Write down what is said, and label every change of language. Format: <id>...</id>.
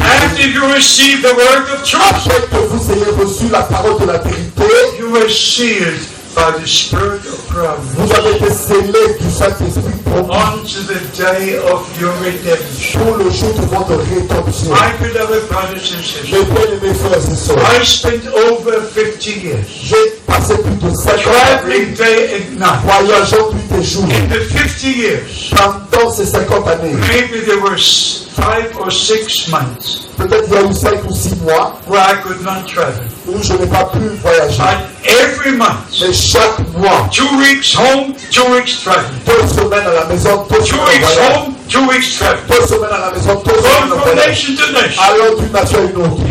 <en>After you receive the word of truth,</en> <fr>après que vous ayez reçu la parole de la vérité,</fr> <en>you were sealed. By the Spirit of Christ.</en> <fr>Vous avez été scellé du Saint-Esprit pour</fr> <en>unto the day of your redemption.</en> <fr>Pour le jour de votre rédemption.</fr> <en>My beloved brothers and sisters.</en> <fr>Mes frères et sœurs.</fr> <en>I spent over 50 years.</en> <fr>J'ai passé plus de 50</fr> <en>years. Traveling day and night.</en> <fr>Voyageant nuit et jour.</fr> <en>In the 50 years.</en> <fr>Pendant ces 50 années.</fr> <en>Maybe there were 5 or 6 months.</en> <fr>Peut-être il y a eu 5 ou 6 mois.</fr> <en>Where I could not travel.</en> <fr>Où je n'ai pas pu voyager.</fr> <en>But every month,</en> <fr>mais chaque mois,</fr> <en>2 weeks home, 2 weeks travel.</en> <fr>2 semaines à la maison,</fr> <en>2 weeks home, 2 weeks travel.</en> <fr>2 semaines à la maison, 2 semaines</fr> <en>from nation to nation.</en> <fr>Allons d'une nation à une autre.</fr>